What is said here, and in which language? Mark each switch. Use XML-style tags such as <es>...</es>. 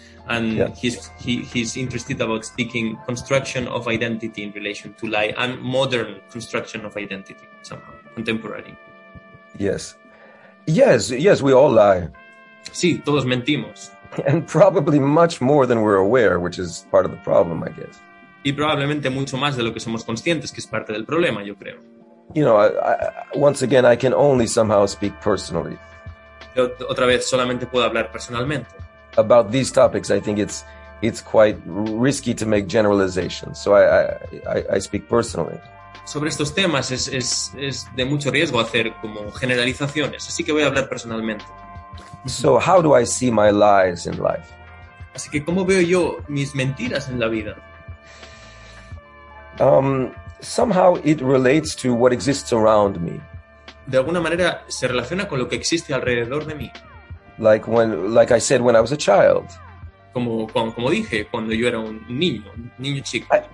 <en>And yeah. he's interested about speaking construction of identity in relation to lie and modern construction of identity somehow, contemporary. Yes. Yes, yes, we all lie.</en> <es>Sí, todos mentimos.</es> <en>And probably much more than we're aware, which is part of the problem, I guess.</en> <es>Y probablemente mucho más de lo que somos conscientes, que es parte del problema, yo creo.</es> <en>You know, I can only somehow speak personally.</en> <es>Yo, otra vez, solamente puedo hablar personalmente.</es> <en>About these topics, I think it's quite risky to make generalizations. So I speak personally.</en> <es>Sobre estos temas es de mucho riesgo hacer como generalizaciones. Así que voy a hablar personalmente.</es> <en>So how do I see my lies in life?</en> <es>Así que cómo veo yo mis mentiras en la vida.</es> <en>Somehow it relates to what exists around me.</en> <es>De alguna manera se relaciona con lo que existe alrededor de mí.</es> <en>Like I said, when I was a child.</en> <es>Como dije, cuando yo era un niño chico.</es>